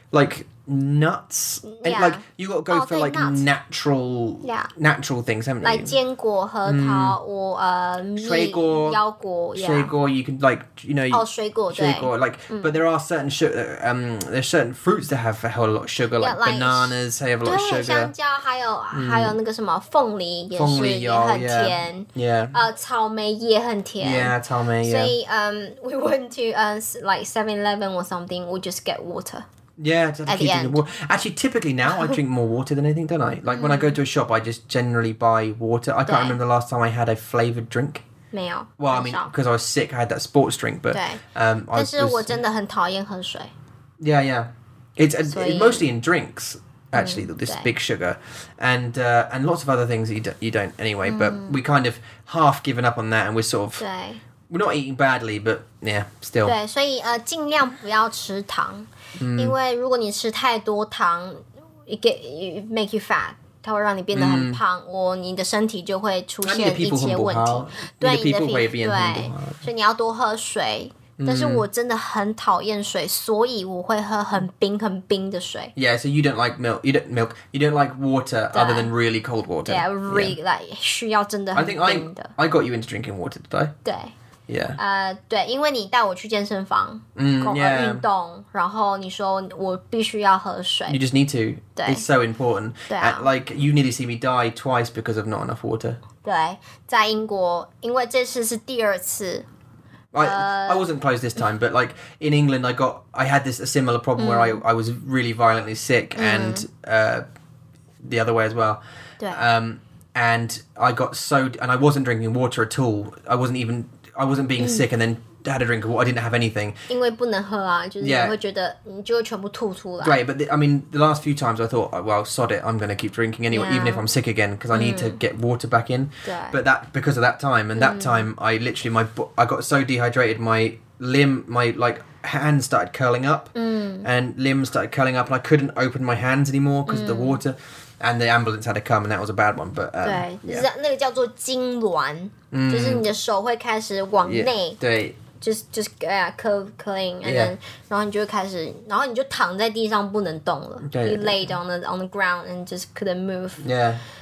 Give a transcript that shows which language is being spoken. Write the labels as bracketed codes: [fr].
[en] Like nuts, and like you got to go for like nuts. natural things, haven't you? [zh] Like 坚果、核桃 or 水果、腰果。水果 [en] you can like you know. [zh] 水果 [en] like, but there are certain there's certain fruits that have a whole lot of sugar, like bananas. They have a lot of sugar. [zh] 对，香蕉还有那个什么凤梨也是，也很甜。草莓也很甜。 [en] Yeah, 草莓. So we went to like 7-Eleven or something. We just get water. Yeah, actually, typically now I drink more water than anything, don't I? Like when I go to a shop, I just generally buy water. I can't remember the last time I had a flavoured drink. No. Well, I mean, because I was sick, I had that sports drink, but... Yeah, yeah. It's mostly in drinks, actually, this big sugar. And lots of other things that you don't anyway, but we kind of half given up on that and we're sort of... We're not eating badly, but yeah, still. [zh] 对，所以尽量不要吃糖。因为如果你吃太多糖 [en] it make you fat. [zh] 它会让你变得很胖你的身体就会出现一些问题。对，你的皮肤会变很不好。所以你要多喝水。但是我真的很讨厌水所以我会喝很冰很冰的水。 [en] Yeah, so you don't like milk. You don't like water other than really cold water. Yeah, like [zh] 需要真的很冰的。 [en] I think I got you into drinking water, did I? [zh] 对。 [en] Yeah. [zh] 对，因为你带我去健身房 运动 然后你说我必须要喝水。 [en] You just need to. [zh] 对。 [en] It's so important. [zh] 对啊。 [en] Like, you nearly see me die twice because of not enough water. [zh] 对，在英国，因为这次是第二次。 [en] I wasn't close this time, but like in England, I had this a similar problem where I was really violently sick and the other way as well. [zh] 对。 [en] And I got so, and I wasn't drinking water at all. I wasn't being sick and then had a drink of water. I didn't have anything. [zh] 因为不能喝啊，就是你会觉得你就全部吐出来。 [en] Right, but the last few times I thought, well, sod it, I'm going to keep drinking anyway, even if I'm sick again, because I need to get water back in. [zh] 对。 [en] But that, because of that time, and that time, I literally, I got so dehydrated, my hands started curling up, and limbs started curling up, and I couldn't open my hands anymore because of the water. And the ambulance had to come, and that was a bad one. But [zh] 对，那个叫做痉挛，就是你的手会开始往内，对就是 [en] curve clean, and then [zh] 然后你就躺在地上不能动了 [en] you laid on the ground and just couldn't move. Yeah.